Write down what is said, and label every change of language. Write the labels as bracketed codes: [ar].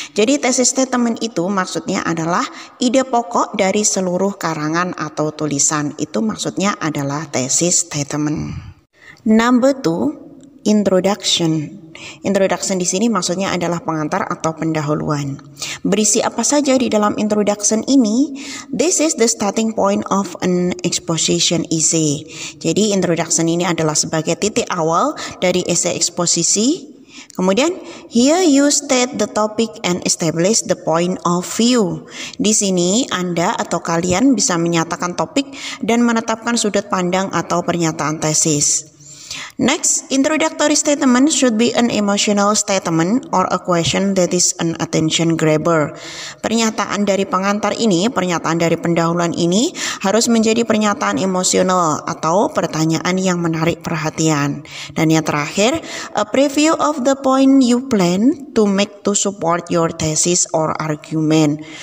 [id] Jadi thesis statement itu maksudnya adalah ide pokok dari seluruh karangan atau tulisan. Itu maksudnya adalah thesis statement. [en] Number 2, introduction. [id] Introduction di sini maksudnya adalah pengantar atau pendahuluan. Berisi apa saja di dalam introduction ini? [en] This is the starting point of an exposition essay. [id] Jadi introduction ini adalah sebagai titik awal dari essay eksposisi. Kemudian, [en] here you state the topic and establish the point of view. [id] Di sini, Anda atau kalian bisa menyatakan topik dan menetapkan sudut pandang atau pernyataan tesis. [en] Next, introductory statement should be an emotional statement or a question that is an attention grabber. [id] Pernyataan dari pengantar ini, pernyataan dari pendahuluan ini harus menjadi pernyataan emosional atau pertanyaan yang menarik perhatian. Dan yang terakhir, [en] a preview of the point you plan to make to support your thesis or argument.